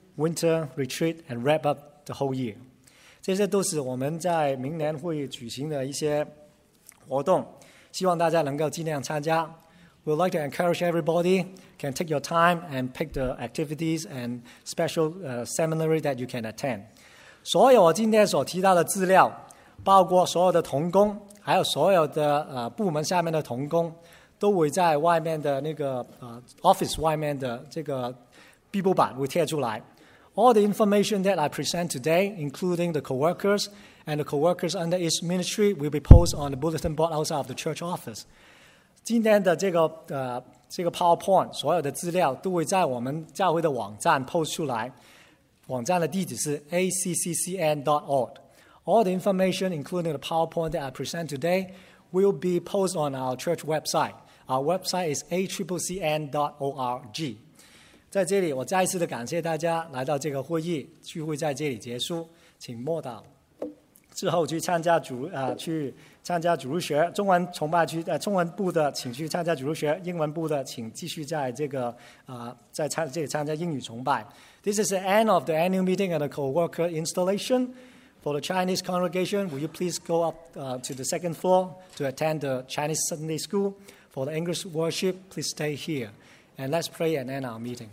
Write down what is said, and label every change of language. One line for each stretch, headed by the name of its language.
English: Winter retreat and wrap up the whole year.
Chinese: 这些都是我们在明年会举行的一些活动，希望大家能够尽量参加。
English: We'd like to encourage everybody can take your time and pick the activities and special seminary that you can attend.
Chinese: 所有我今天所提到的资料，包括所有的同工，还有所有的部门下面的同工，都会在外面的那个office 外面的这个壁布板会贴出来。
English: All the information that I present today, including the co-workers and the co-workers under each ministry, will be posted on the bulletin board outside of the church office.
Chinese: 今天的这个 PowerPoint, 所有的资料都会在我们教会的网站 post 出来。网站的地址是 accccn.org.
English: All the information, including the PowerPoint that I present today, will be posted on our church website. Our website is accccn.org.
Chinese: 在这里我再一次的感谢大家来到这个会议，聚会在这里结束，请默祷之后去参加主日学，中文崇拜区中文部的请去参加主日学，英文部的请继续在这个在这里参加英语崇拜。
English: This is the end of the annual meeting and the co-worker installation. For the Chinese congregation, will you please go up to the second floor to attend the Chinese Sunday school. For the English worship, please stay hereAnd let's pray and end our meeting.